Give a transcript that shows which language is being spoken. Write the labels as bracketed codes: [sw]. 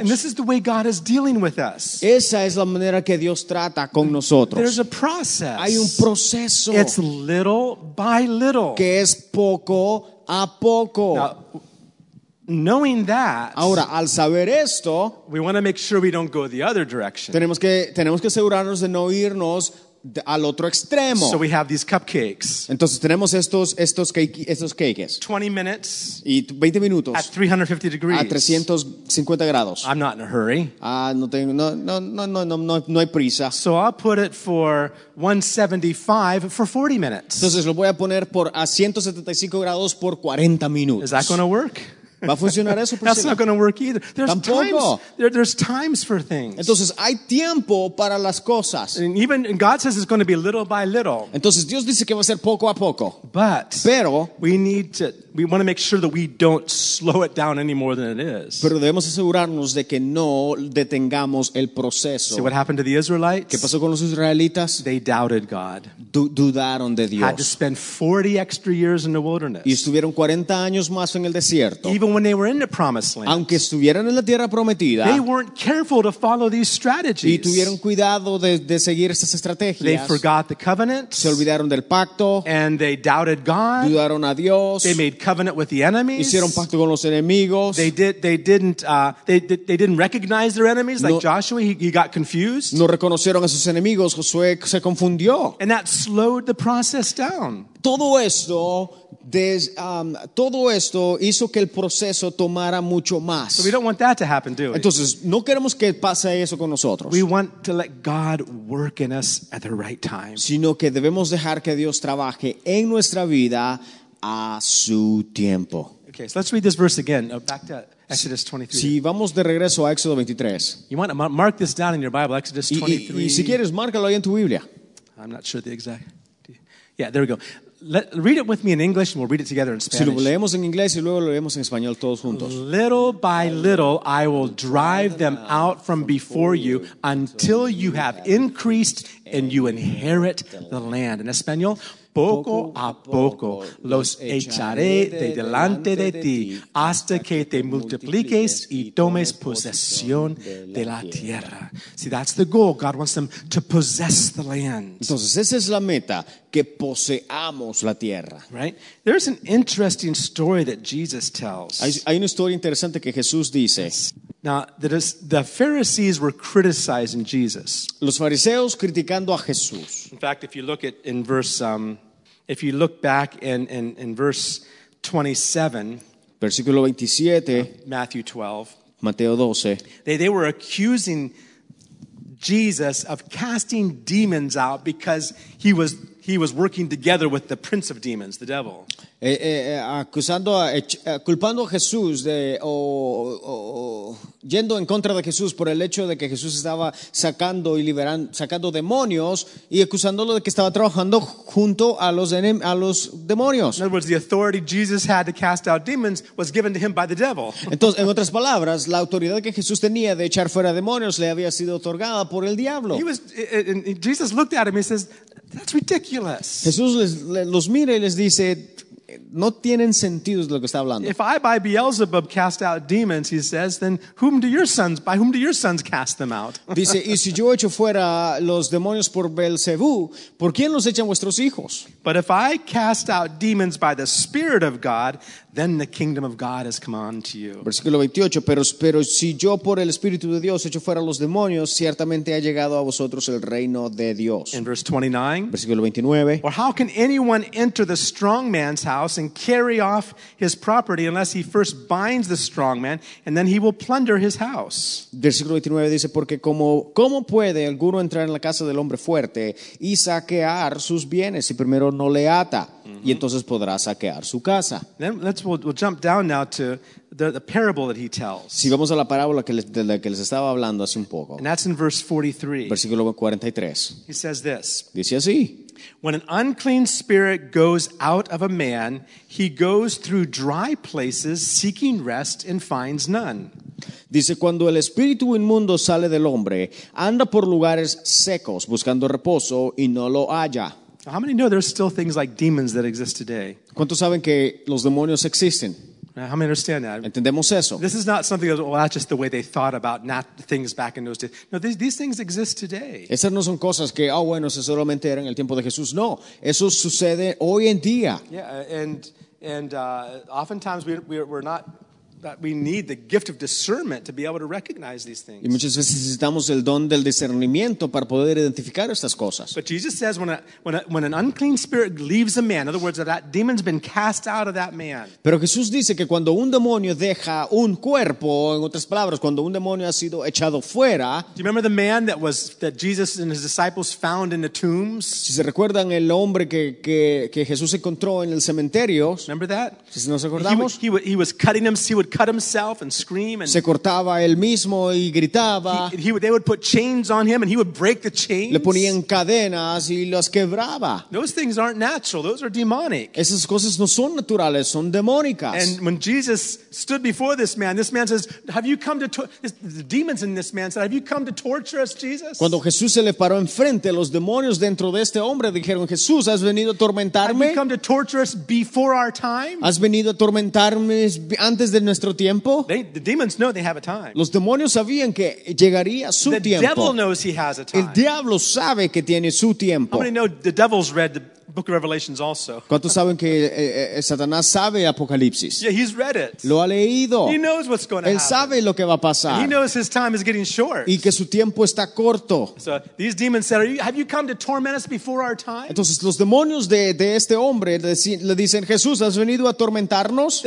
[en] And this is the way God is dealing with us. [es] Esa es la manera que Dios trata con nosotros. [en] There's a process. [es] Hay un proceso. [en] It's little by little. [es] Que es poco a poco. [en] Now, knowing that, [es] ahora, al saber esto, [en] we want to make sure we don't go the other direction. [es] Tenemos que asegurarnos de no irnos al otro extremo. [en] So we have these cupcakes. [es] Entonces tenemos estos cakes. [en] 20 minutes. [es] Y 20 minutos. [en] At 350 degrees. [es] A 350 grados. [en] I'm not in a hurry. [es] No hay prisa. [en] So I'll put it for 175 for 40 minutes. [es] Entonces lo voy a poner por a 175 grados por 40 minutos. [en] Is that going to work? [es] ¿Va a funcionar eso, [en] Priscila? That's not going to work either. There's [es] tampoco. [en] There's times for things. [es] Entonces, hay tiempo para las cosas. [en] And even and God says it's going to be little by little. [es] Entonces, Dios dice que va a ser poco a poco. [en] But [es] pero, [en] we want to make sure that we don't slow it down any more than it is. [es] Pero debemos asegurarnos de que no detengamos el proceso. [en] See what happened to the Israelites? [es] ¿Qué pasó con los israelitas? [en] They doubted God. [es] Dudaron de Dios. [en] Had to spend 40 extra years in the wilderness. [es] Y estuvieron 40 años más en el desierto. [en] Even when they were in the promised land, [es] aunque estuvieran en la tierra prometida, [en] they weren't careful to follow these strategies. [es] Y tuvieron cuidado de seguir estas estrategias. [en] They forgot the covenant. [es] Se olvidaron del pacto. [en] And they doubted God. [es] Dudaron a Dios. [en] They made covenant with the enemies. [es] Hicieron pacto con los enemigos. [en] They didn't recognize their enemies like Joshua. He got confused. [es] No reconocieron a sus enemigos. Josué se confundió. [en] And that slowed the process down. [es] Todo esto hizo que el proceso tomara mucho más. [en] So we don't want that to happen, do we? [es] Entonces, no queremos que pase eso con nosotros. [en] We want to let God work in us at the right time. [es] Sino que debemos dejar que Dios trabaje en nuestra vida a su tiempo. [en] Okay, so let's read this verse again. Back to Exodus 23. [es] Si vamos de regreso a Éxodo 23. [en] You want to mark this down in your Bible, Exodus 23. [es] Y si quieres, márcalo ahí en tu Biblia. [en] I'm not sure the exact. Yeah, there we go. Read it with me in English, and we'll read it together in Spanish. [es] Si lo leemos en inglés y luego lo leemos en español todos juntos. [en] Little by little, I will drive them out from before you until you have increased and you inherit the land. [es] En español, poco a poco los echaré de delante de ti hasta que te multipliques y tomes posesión de la tierra. [en] See, that's the goal. God wants them to possess the land. [es] Entonces, esa es la meta. Que poseamos la tierra. [en] Right? There's an interesting story that Jesus tells. [es] Hay una historia interesante que Jesús dice. [en] Now, the Pharisees were criticizing Jesus. [es] Los fariseos criticando a Jesús. [en] In fact, if you look at in verse, if you look back in verse 27, [es] versículo 27, [en] Matthew 12, [es] Mateo 12, [en] they were accusing Jesus of casting demons out because he was working together with the prince of demons, the devil. [es] Culpando a Jesús de yendo en contra de Jesús por el hecho de que Jesús estaba sacando demonios y acusándolo de que estaba trabajando junto a los demonios. [en] In other words, the authority Jesus had to cast out demons was given to him by the devil. [es] Entonces, en otras palabras, la autoridad que Jesús tenía de echar fuera demonios le había sido otorgada por el diablo. [en] Jesus looked at him and says, "That's ridiculous." [es] Jesús los mira y les dice, no tienen sentido de lo que está hablando. [en] If I by Beelzebub cast out demons, he says, then whom do your sons, by whom do your sons cast them out? [es] Dice, y si yo echo fuera los demonios por Belcebú, ¿por quién los echan vuestros hijos? [en] But if I cast out demons by the Spirit of God, then the kingdom of God has come on to you. [es] Versículo 28, pero si yo por el Espíritu de Dios echo fuera los demonios, ciertamente ha llegado a vosotros el reino de Dios. [en] In verse 29, [es] versículo 29, [en] or how can anyone enter the strong man's house and carry off his property unless he first binds the strong man and then he will plunder his house? [es] Versículo 29 dice, porque cómo puede alguno entrar en la casa del hombre fuerte y saquear sus bienes si primero no le ata? Y entonces podrá saquear su casa. [en] Then let's we'll jump down now to the parable that he tells. [es] Si vamos a la parábola que les estaba hablando hace un poco. [en] And that's in verse 43. [es] Versículo 43. [en] He says this. [es] Dice así. [en] When an unclean spirit goes out of a man, he goes through dry places seeking rest and finds none. [es] Dice, cuando el espíritu inmundo sale del hombre, anda por lugares secos buscando reposo y no lo halla. [en] How many know there's still things like demons that exist today? [es] ¿Cuántos saben que los demonios existen? [en] How many understand that? [es] Entendemos eso. [en] This is not something that, well, that's just the way they thought about not things back in those days. No, these things exist today. [es] Esas no son cosas que, oh, bueno, eso solamente era en el tiempo de Jesús. No, eso sucede hoy en día. [en] Yeah, and oftentimes we're not... that we need the gift of discernment to be able to recognize these things. [es] Y muchas veces necesitamos el don del discernimiento para poder identificar estas cosas. [en] But Jesus says when an unclean spirit leaves a man, in other words, that demon's been cast out of that man. [es] Pero Jesús dice que cuando un demonio deja un cuerpo, en otras palabras, cuando un demonio ha sido echado fuera. [en] Do you remember the man that Jesus and his disciples found in the tombs? [es] Si se recuerdan el hombre que Jesús encontró en el cementerio. [en] Remember that? [es] Si nos acordamos. [en] He was cutting himself. Would cut himself and scream and [es] se cortaba él mismo y gritaba. [en] They would put chains on him and he would break the chains. [es] Le ponían cadenas y los quebraba. [en] Those things aren't natural. Those are demonic. [es] Esas cosas no son naturales, son demónicas. [en] And when Jesus stood before this man says, "Have you come to the demons in this man said, "Have you come to torture us, Jesus?" [es] Cuando Jesús se le paró enfrente, los demonios dentro de este hombre dijeron, "Jesús, ¿has venido a atormentarme? [en] Have you come to torture us before our time?" [es] ¿Has venido a atormentarme antes de nuestro tiempo? [en] The demons know they have a time. [es] Los demonios sabían que llegaría su [en] the [es] tiempo. [en] The devil knows he has a time. [es] El diablo sabe que tiene su tiempo. [en] How many know the devil's read the Book of Revelations also. [es] ¿Cuántos saben que Satanás sabe Apocalipsis? [en] Yeah, he's read it. [es] Lo ha leído. [en] He knows what's going to [es] Él [en] happen. [es] Sabe lo que va a pasar. [en] He knows his time is getting short. [es] Y que su tiempo está corto. [en] So these demons said, "Have you come to torment us before our time?" [es] Entonces los demonios de este hombre le dicen, "Jesús, ¿has venido a atormentarnos?"